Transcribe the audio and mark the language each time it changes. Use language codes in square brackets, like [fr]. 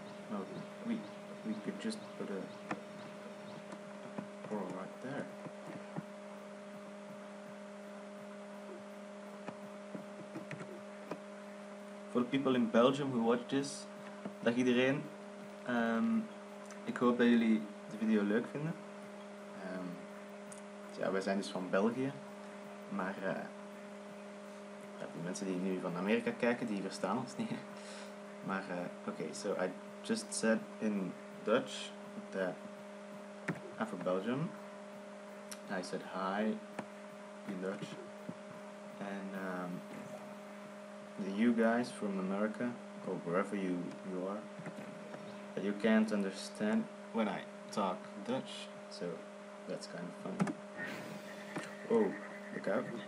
[en] Well, we could just put a portal right there. For the people in Belgium who watch this, [nl] dag iedereen. Ik hoop dat jullie de video leuk vinden. Ja, wij zijn dus van België, maar die mensen die nu van Amerika kijken, die verstaan ons niet. [en] Maar oké, so I just said in Dutch that I'm from Belgium. I said hi in Dutch. And you guys from America, or wherever you are, that you can't understand when I talk Dutch, so that's kind of funny. Oh, look out.